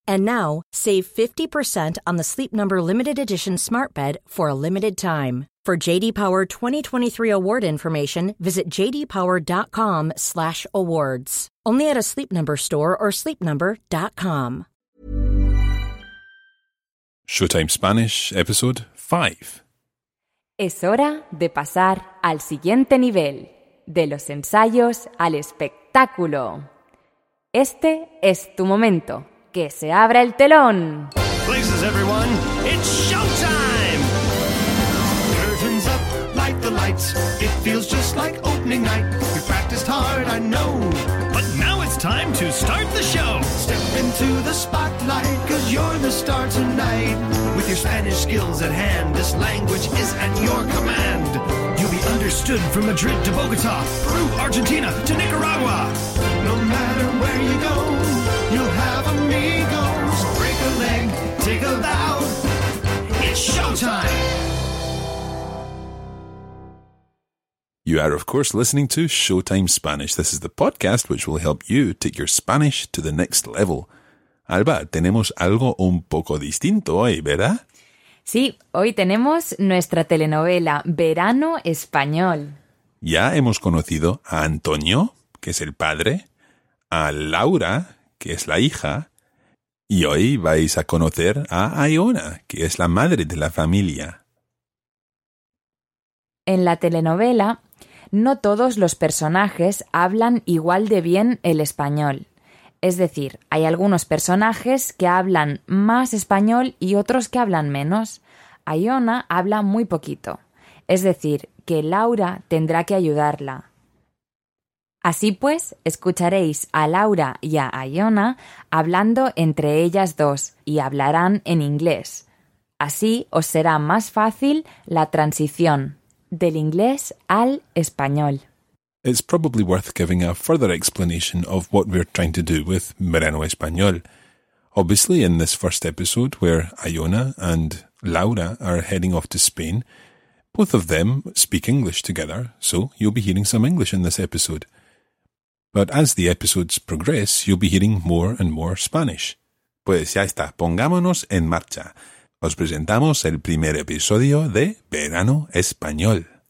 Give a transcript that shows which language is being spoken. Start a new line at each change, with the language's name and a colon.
English: And now, save 50% on the Sleep Number limited edition smart bed for a limited time. For J.D. Power 2023 award information, visit jdpower.com/awards. Only at a Sleep Number store or sleepnumber.com. Showtime Spanish, episode 5.
Spanish: Es hora de pasar al siguiente nivel. De los ensayos al espectáculo. Este es tu momento. ¡Que se abra el telón!
English: Places, everyone. It's showtime! Curtains up, light the lights. It feels just like opening night. We practiced hard, I know. But now it's time to start the show. Step into the spotlight, cause you're the star tonight. With your Spanish skills at hand, this language is at your command. Understood from Madrid to Bogota, Peru, Argentina to Nicaragua. No matter where you go, you'll have amigos. Break a leg, take a bow. It's showtime. You are, of course, listening to Showtime Spanish. This is the podcast which will help you take your Spanish to the next level.
Spanish: Alba, tenemos algo un poco distinto hoy, ¿verdad? Sí, hoy tenemos nuestra telenovela Verano Español. Ya hemos conocido a Antonio, que es el padre, a Laura, que es la hija, y hoy vais a conocer a Iona, que es la madre de la familia. En la telenovela, no todos los personajes hablan igual de bien el español. Es decir, hay algunos personajes que hablan más español y otros que hablan menos. Iona habla muy poquito. Es decir, que Laura tendrá que ayudarla. Así pues, escucharéis a Laura y a Iona hablando entre ellas dos y hablarán en inglés. Así os será más fácil la transición del inglés al español.
English: It's probably worth giving a further explanation of what we're trying to do with Verano Español. Obviously, in this first episode, where Iona and Laura are heading off to Spain, both of them speak English together, so you'll be hearing some English in this episode. But as the episodes progress, you'll be hearing more and more Spanish.
Spanish: Pues ya está, pongámonos en marcha. Os presentamos el primer episodio de Verano Español.